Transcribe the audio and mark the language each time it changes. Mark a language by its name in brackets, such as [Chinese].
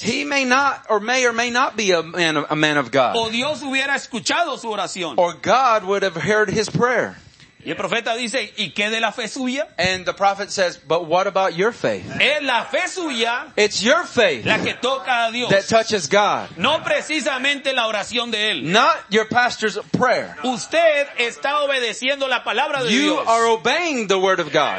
[English] He may not, or may not be a man of God. [Spanish] O Dios hubiera escuchado su oración. [English] Or God would have heard his prayer. [Spanish] Y el profeta dice, ¿y qué de la fe suya? [English] And the prophet says, but what about your faith? [Spanish] Es la fe suya. [English] It's your faith. [Spanish] La que toca a Dios. [English] That touches God. [Spanish] No precisamente la oración de él. [English] Not your pastor's prayer. [Spanish] Usted está obedeciendo la palabra de [English] you [Spanish] Dios. [English] You are obeying the word of God.